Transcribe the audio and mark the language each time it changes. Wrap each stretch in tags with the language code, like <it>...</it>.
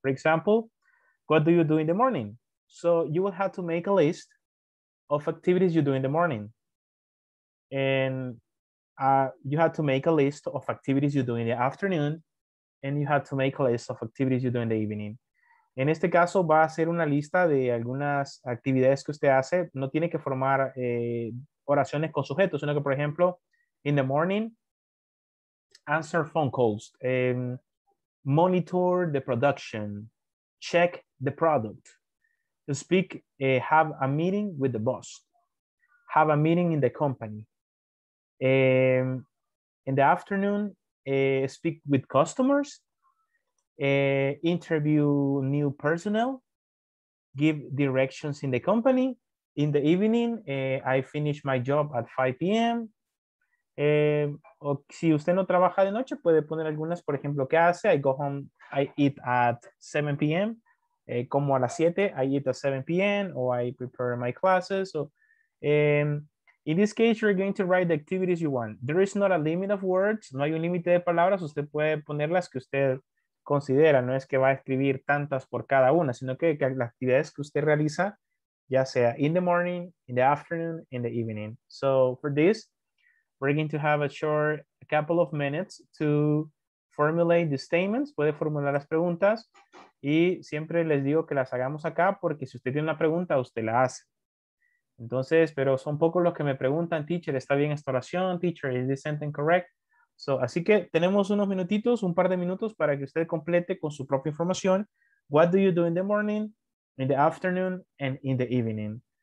<en>For example, what do you do in the morning? So you will have to make a list of activities you do in the morning. And you have to make a list of activities you do in the afternoon, and you have to make a list of activities you do in the evening.</en> <es>En este caso, va a ser una lista de algunas actividades que usted hace. No tiene que formar oraciones con sujetos, sino que, por ejemplo,</es> <en>in the morning, answer phone calls, monitor the production, check the product, speak, have a meeting with the boss, have a meeting in the company. In the afternoon, speak with customers, interview new personnel, give directions in the company. In the evening, I finish my job at 5 p.m.</en> <es>O si usted no trabaja de noche, puede poner algunas, por ejemplo, ¿qué hace?</es> <en>I go home, I eat at 7 p.m.</en> <es>Como a las 7,</es> <en>I eat at 7 p.m. or I prepare my classes. So, in this case, you're going to write the activities you want. There is not a limit of words.</en> <es>No hay un límite de palabras. Usted puede poner las que usted considera. No es que va a escribir tantas por cada una, sino que las actividades que usted realiza, ya sea</es> <en>in the morning, in the afternoon, in the evening. So for this, we're going to have a short couple of minutes to formulate the statements.</en> <es>Puede formular las preguntas. Y siempre les digo que las hagamos acá porque si usted tiene una pregunta, usted la hace. Entonces, pero son pocos los que me preguntan, teacher, ¿está bien esta oración? Teacher,</es> <en>¿is this sentence correct? So,</en> <es>así que tenemos unos minutitos, un par de minutos para que usted complete con su propia información.</es> <en>What do you do in the morning, in the afternoon, and in the evening?</en>